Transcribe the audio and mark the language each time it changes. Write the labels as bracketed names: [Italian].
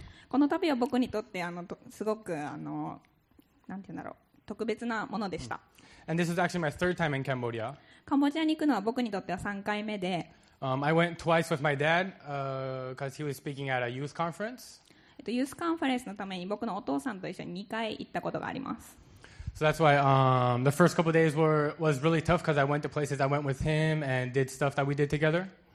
[Japanese] この旅は僕にとってあのすごくあのなんていうんだろう特別なものでした。 [English] And this is actually my third time in Cambodia. [Japanese] カンボジアに行くのは僕にとっては3回目で。 [English] I went twice with my dad, because he was speaking at a youth conference. [Japanese] ユースカンファレンスのために僕のお父さんと一緒に2回行ったことがあります。 [English] So that's why the first couple of days was really tough because I went to places I went with him and did stuff that we did together.